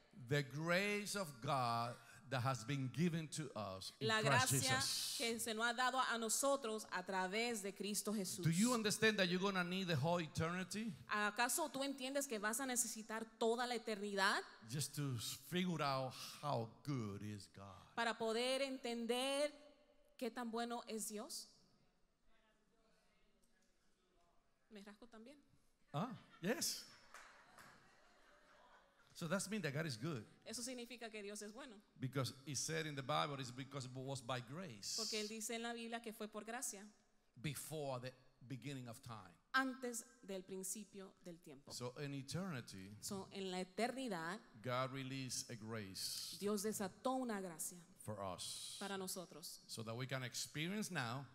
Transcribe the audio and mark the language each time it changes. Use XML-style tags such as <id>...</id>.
<en>the grace of God that has been given to us in</en> <es>la gracia</es> <en>Christ Jesus.</en> <es>Que se nos ha dado a nosotros a través de Cristo Jesús.</es> <en>Do you understand that you're going to need the whole eternity?</en> <es>¿Acaso tú entiendes que vas a necesitar toda la eternidad?</es> <en>Just to figure out how good is God.</en> <es>Para poder entender qué tan bueno es Dios. ¿Me rasco también?</es> <en>Ah, yes. So that means that God is good.</en> <es>Eso significa que Dios es bueno.</es> <en>Because he said in the Bible, it's because it was by grace.</en> <es>Porque él dice en la Biblia que fue por gracia.</es> <en>Before the beginning of time.</en> <es>Antes del principio del tiempo.</es> <en>So in eternity.</en> <es>So en la eternidad.</es> <en>God released a grace.</en> <es>Dios desató una gracia.</es> <en>For us.</en> <es>Para nosotros.</es> <en>So that we can experience now.</en>